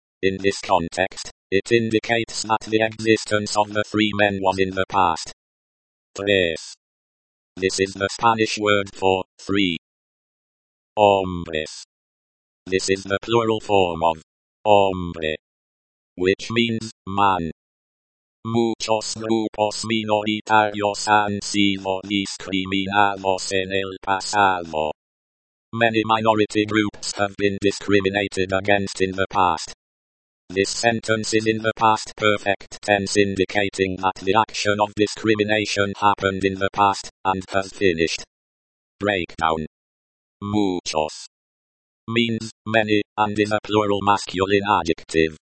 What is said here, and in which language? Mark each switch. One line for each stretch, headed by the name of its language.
English: In this context, it indicates that the existence of the three men was in the past. Tres. This is the Spanish word for, three. Hombres. This is the plural form of, hombre. Which means, man.
Spanish: Muchos grupos minoritarios han sido discriminados en el pasado.
English: Many minority groups have been discriminated against in the past. This sentence is in the past perfect tense indicating that the action of discrimination happened in the past, and has finished. Breakdown. Muchos means many, and is a plural masculine adjective.